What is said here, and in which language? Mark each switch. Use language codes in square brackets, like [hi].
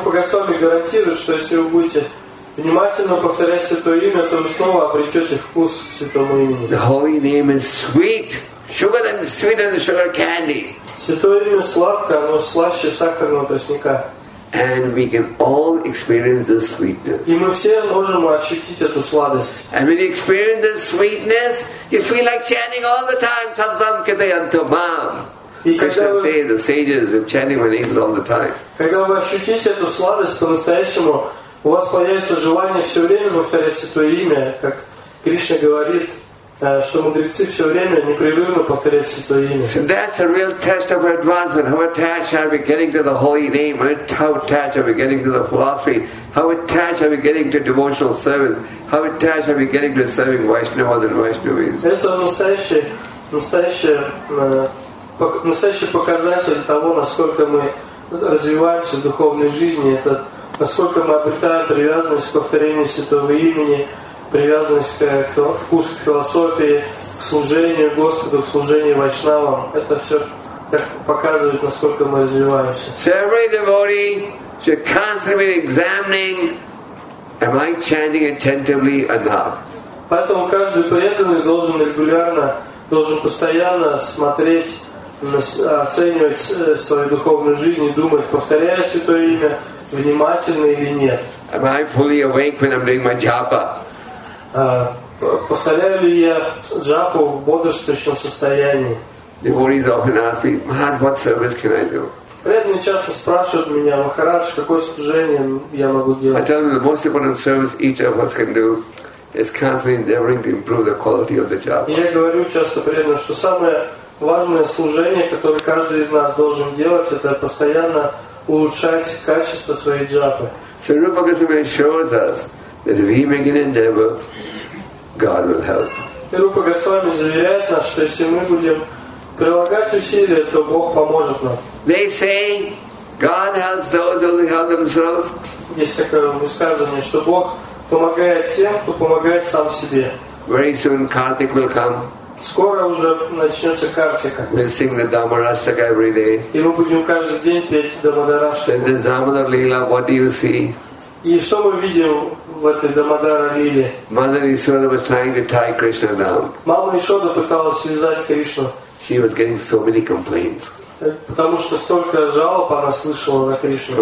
[ru] Rupa Goswami гарантирует, что если вы будете внимательно повторять святое имя, то вы снова обретете вкус к святому имени. [en] The holy name is sweet, sugar than sweeter than sugar candy. [ru] Святое имя сладкое, оно слаще сахарного тростника. [en] And we can all experience this sweetness. [ru] И мы все можем ощутить эту сладость. [en] And when you experience this sweetness, you feel like chanting all the time. Tatam kadayantamam. Krishna says, the sages, they're chanting my names all the time. [ru] Когда вы ощутите эту сладость по-настоящему, у вас появится желание все время повторять святое имя, как Кришна говорит, что мудрецы все время непрерывно повторяют святое имя. [en] So that's a real test of advancement. How attached are we getting to the holy name? How attached are we getting to the philosophy? How attached are we getting to devotional service? How attached are we getting to serving Vaishnavas and Vaishnavis? [ru] Это настоящий показатель того, насколько мы развиваемся в духовной жизни. Это насколько мы обретаем привязанность к повторению святого имени, привязанность к вкусу к философии, служению Господу, в служении Вайшнавам, это все показывает, насколько мы развиваемся. [en] So every devotee should constantly be examining, am I chanting attentively enough? [ru] Поэтому каждый преданный должен регулярно, должен постоянно смотреть, оценивать свою духовную жизнь и думать, повторяю святое имя внимательно или нет. [en] Am I fully awake when I'm doing my japa? [ru] Повторяю ли я джапу в бодрствующем состоянии? [en] Devotees often ask me, Maharaj, what service can I do? [ru] Преданные часто спрашивают меня, Махарадж, какое служение я могу делать? [en] I tell them the most important service each of us can do is constantly endeavoring to improve the quality of the japa. [ru] Я говорю часто преданным, что самое важное служение, которое каждый из нас должен делать, это постоянно улучшать качество своей джапы. [en] So Rupa Goswami assures us that if we make an endeavor, God will help. [ru] Rupa Goswami заверяет нас, что если мы будем прилагать усилия, то Бог поможет нам. [en] They say God helps those who help themselves. [ru] Есть такое высказывание, что Бог помогает тем, кто помогает сам себе. [en] Very soon Kartik will come. [ru] Скоро уже начнется Картика. [en] We'll sing the Dhammarashtaka every day. [ru] И мы будем каждый день петь Дамодарашту. [en] In this Dhammadhar Leela, what do you see? [ru] И что мы видим в этой Дамодара Лиле? [en] Mother Yashoda was trying to tie Krishna down. [ru] Мама Ишода пыталась связать Кришну. [en] She was getting so many complaints. [ru] Потому что столько жалоб она слышала на Кришну.